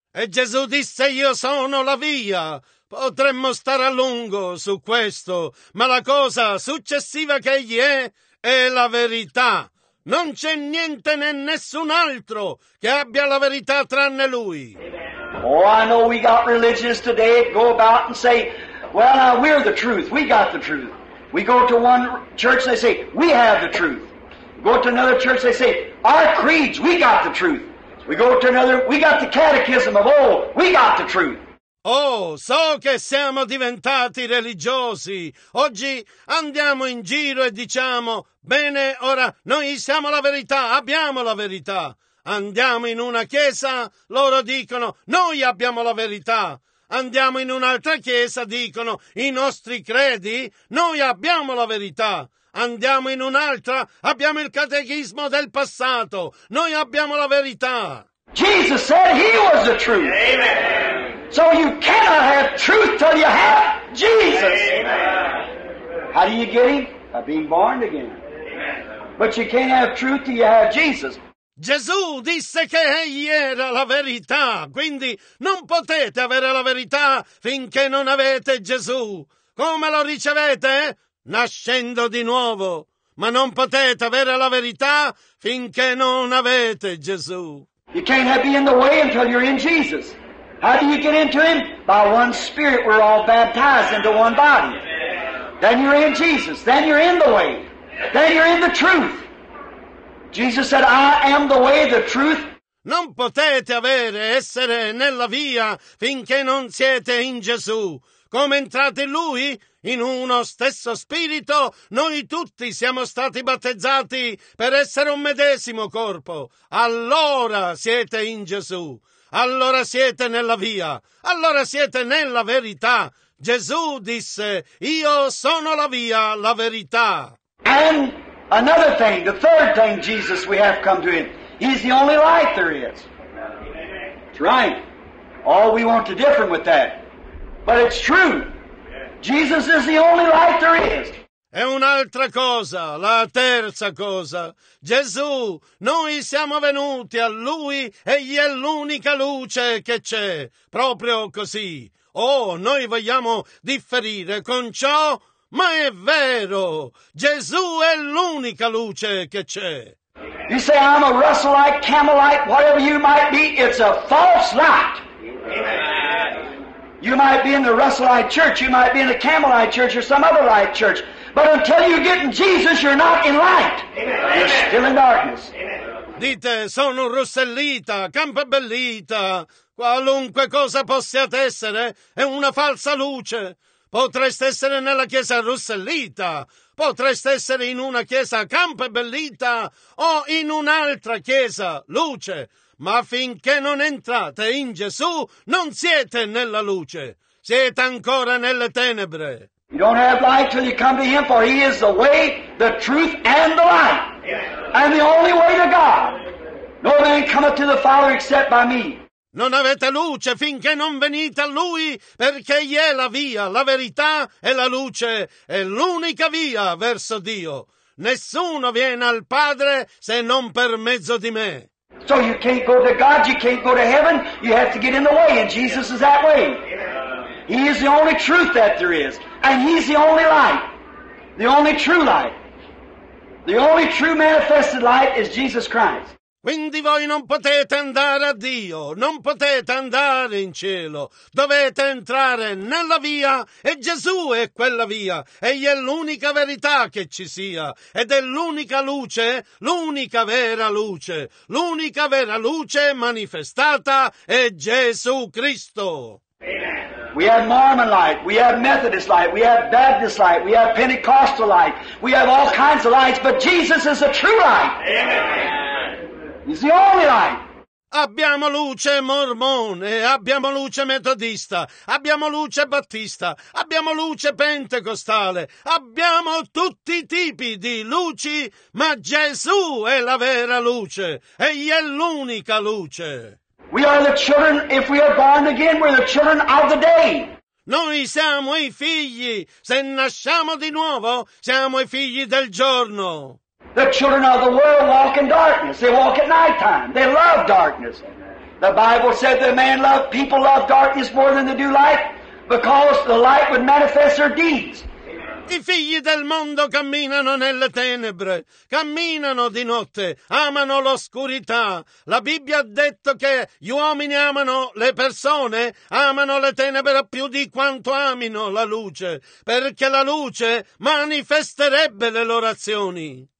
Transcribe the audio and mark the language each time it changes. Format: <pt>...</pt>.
<it>E Gesù disse, io sono la via. Potremmo stare a lungo su questo, ma la cosa successiva che Egli è la verità. Non c'è niente né nessun altro che abbia la verità tranne Lui.</it> <en>Oh, I know we got religions today that go about and say, well, now, we're the truth. We got the truth. We go to one church, they say, we have the truth. Go to another church, they say, our creeds, we got the truth. We go to another, we got the catechism of old, we got the truth.</en> <it>Oh, so che siamo diventati religiosi. Oggi andiamo in giro e diciamo, bene, ora noi siamo la verità, abbiamo la verità. Andiamo in una chiesa, loro dicono, noi abbiamo la verità. Andiamo in un'altra chiesa, dicono, i nostri credi, noi abbiamo la verità. Andiamo in un'altra, abbiamo il catechismo del passato, noi abbiamo la verità.</it> <en>Jesus said He was the truth. Amen. So you cannot have truth till you have Jesus. Amen. How do you get Him? By being born again. Amen. But you can't have truth till you have Jesus.</en> <it>Gesù disse che Egli era la verità, quindi non potete avere la verità finché non avete Gesù. Come lo ricevete? Nascendo di nuovo. Ma non potete avere la verità finché non avete Gesù.</it> <en>You can't be in the way until you're in Jesus. How do you get into Him? By one Spirit we're all baptized into one body. Then you're in Jesus. Then you're in the way. Then you're in the truth. Jesus said, I am the way, the truth.</en> <it>Non potete avere, essere nella via finché non siete in Gesù. Come entrate in Lui? In uno stesso spirito, noi tutti siamo stati battezzati per essere un medesimo corpo. Allora siete in Gesù. Allora siete nella via. Allora siete nella verità. Gesù disse, io sono la via, la verità.</it> <en>And another thing, the third thing, Jesus, we have come to Him. He's the only light there is. That's right. All we want to differ with that. But it's true. Jesus is the only light there is.</en> <it>È un'altra cosa, la terza cosa. Gesù, noi siamo venuti a Lui, Egli è l'unica luce che c'è. Proprio così. Oh, noi vogliamo differire con ciò. Ma è vero, Gesù è l'unica luce che c'è.</it> <en>You say, I'm a Russellite, Camelite, whatever you might be, it's a false light. Amen. You might be in the Russellite church, you might be in the Camelite church or some other light church, but until you get in Jesus, you're not in light. Amen. You're still in darkness. Amen.</en> <it>Dite, sono Russellita, Campabellita, qualunque cosa possiate essere, è una falsa luce. Potreste essere nella chiesa Russellita, potreste essere in una chiesa Campabellita o in un'altra chiesa luce, ma finché non entrate in Gesù non siete nella luce, siete ancora nelle tenebre.</it> <en>You don't have light till you come to Him, for He is the way, the truth, and the light, and the only way to God. No man cometh to the Father except by me.</en> <it>Non avete luce finché non venite a Lui, perché Egli è la via, la verità e la luce, è l'unica via verso Dio. Nessuno viene al Padre se non per mezzo di me.</it> <en>So you can't go to God, you can't go to heaven, you have to get in the way, and Jesus is that way. He is the only truth that there is, and He's the only light, the only true light. The only true manifested light is Jesus Christ.</en> <it>Quindi voi non potete andare a Dio, non potete andare in cielo. Dovete entrare nella via, e Gesù è quella via. Egli è l'unica verità che ci sia, ed è l'unica luce, l'unica vera luce. L'unica vera luce manifestata è Gesù Cristo.</it> <en>Amen. We have Mormon light, we have Methodist light, we have Baptist light, we have Pentecostal light, we have all kinds of lights, but Jesus is the true light. Amen. He's the only light.</en> <it>Abbiamo luce mormone, abbiamo luce metodista, abbiamo luce battista, abbiamo luce pentecostale, abbiamo tutti i tipi di luci, ma Gesù è la vera luce, Egli è l'unica luce.</it> <en>We are the children, if we are born again, we're the children of the day.</en> <it>Noi siamo i figli, se nasciamo di nuovo, siamo i figli del giorno.</it> <en>The children of the world walk in darkness. They walk at night time. They love darkness. The Bible said that people love darkness more than they do light, because the light would manifest their deeds.</en> <it>I figli del mondo camminano nelle tenebre, camminano di notte, amano l'oscurità. La Bibbia ha detto che gli uomini amano le persone, amano le tenebre più di quanto amino la luce, perché la luce manifesterebbe le loro azioni.</it>